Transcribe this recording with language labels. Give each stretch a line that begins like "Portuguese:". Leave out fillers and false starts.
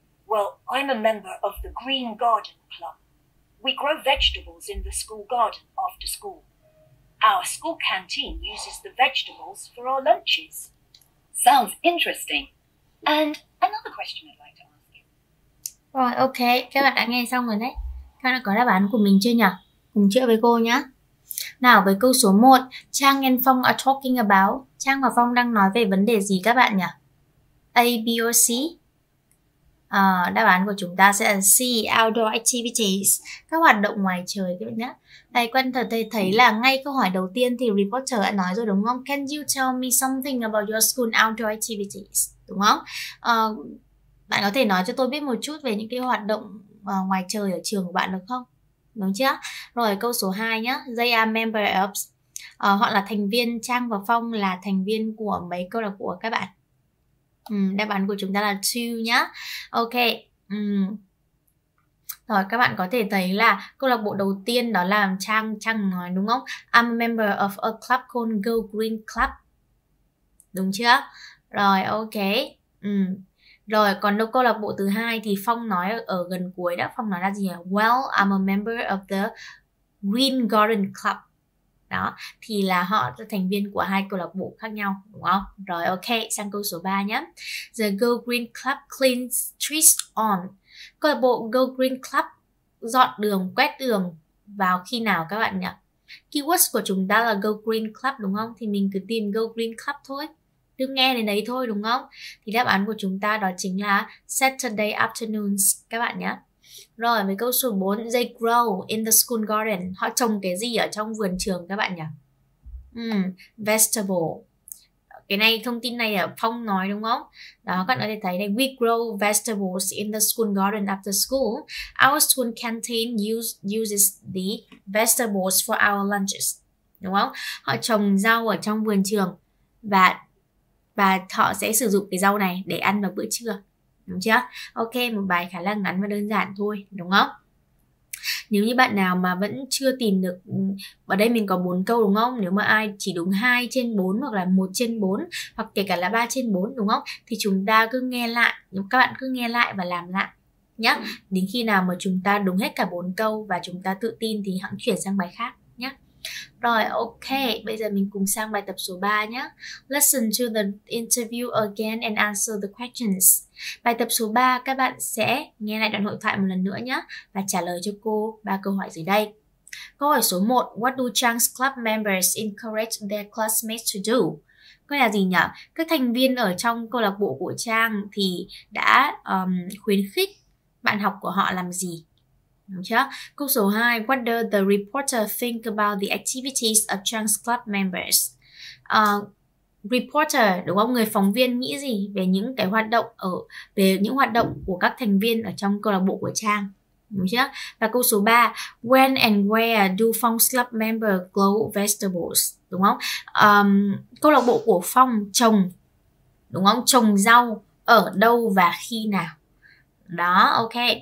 English: Well, I'm a member of the Green Garden Club. We grow vegetables in the school garden after school. Our school canteen uses the vegetables for our lunches. Sounds interesting. And another question I'd like to ask you.
Vietnamese: Rồi, ok. Các bạn đã nghe xong rồi đấy. Các bạn đã có đáp án của mình chưa nhỉ? Cùng chữa với cô nhá. Nào, với câu số 1,
English: Trang and Phong are talking about.
Vietnamese: Trang và Phong đang nói về vấn đề gì các bạn nhỉ? A, B or C? À, đáp án của chúng ta sẽ là C,
English: outdoor activities,
Vietnamese: các hoạt động ngoài trời các bạn nhé. Đây, quan thật thấy là ngay câu hỏi đầu tiên thì reporter đã nói rồi đúng không?
English: Can you tell me something about your school outdoor activities?
Vietnamese: Đúng không? À, bạn có thể nói cho tôi biết một chút về những cái hoạt động ngoài trời ở trường của bạn được không? Đúng chưa? Rồi, câu số 2 nhé.
English: They are members of.
Vietnamese: Họ là thành viên, Trang và Phong là thành viên của mấy câu lạc bộ các bạn? Đáp án của chúng ta là 2 nhá. Ok. Rồi, các bạn có thể thấy là câu lạc bộ đầu tiên đó là Trang nói đúng không?
English: I'm a member of a club called Go Green Club.
Vietnamese: Đúng chưa? Rồi, ok. Rồi, còn câu lạc bộ thứ hai thì Phong nói ở gần cuối đó. Phong nói là gì nhỉ?
English: Well, I'm a member of the Green Garden Club.
Vietnamese: Đó, thì là họ là thành viên của hai câu lạc bộ khác nhau, đúng không? Rồi, ok, sang câu số 3 nhé.
English: The Go Green Club cleans streets on.
Vietnamese: Câu lạc bộ Go Green Club dọn đường, quét đường vào khi nào các bạn nhỉ? Keywords của chúng ta là Go Green Club, đúng không? Thì mình cứ tìm Go Green Club thôi. Đừng nghe đến đấy thôi, đúng không? Thì đáp án của chúng ta đó chính là
English: Saturday afternoons,
Vietnamese: các bạn nhé. Rồi, với câu số 4,
English: they grow in the school garden.
Vietnamese: Họ trồng cái gì ở trong vườn trường các bạn nhỉ? Vegetable. Cái này, thông tin này là Phong nói đúng không? Đó, các bạn có thể thấy này,
English: we grow vegetables in the school garden after school. Our school canteen uses the vegetables for our lunches.
Vietnamese: Đúng không? Họ trồng rau ở trong vườn trường và họ sẽ sử dụng cái rau này để ăn vào bữa trưa. Đúng chưa? Ok, một bài khá là ngắn và đơn giản thôi, đúng không? Nếu như bạn nào mà vẫn chưa tìm được, ở đây mình có 4 câu đúng không? Nếu mà ai chỉ đúng 2 trên 4 hoặc là 1 trên 4 hoặc kể cả là 3 trên 4 đúng không? Thì chúng ta cứ nghe lại, các bạn cứ nghe lại và làm lại nhá. Đến khi nào mà chúng ta đúng hết cả 4 câu và chúng ta tự tin thì hãy chuyển sang bài khác nhá. Rồi, ok, bây giờ mình cùng sang bài tập số 3 nhé.
English: Listen to the interview again and answer the questions.
Vietnamese: Bài tập số 3, các bạn sẽ nghe lại đoạn hội thoại một lần nữa nhé và trả lời cho cô 3 câu hỏi dưới đây. Câu hỏi số 1,
English: what do Trang's club members encourage their classmates to do?
Vietnamese: Câu là gì nhỉ? Các thành viên ở trong câu lạc bộ của Trang thì đã khuyến khích bạn học của họ làm gì? Đúng chưa? Câu số 2,
English: what does the reporter think about the activities of Trang's club members?
Vietnamese: reporter, đúng không? Người phóng viên nghĩ gì về những cái hoạt động ở về những hoạt động của các thành viên ở trong câu lạc bộ của Trang, đúng chưa? Và câu số 3,
English: when and where do Phong's club member grow vegetables,
Vietnamese: đúng không? Câu lạc bộ của Phong trồng, đúng không? Trồng rau ở đâu và khi nào? Đó, ok.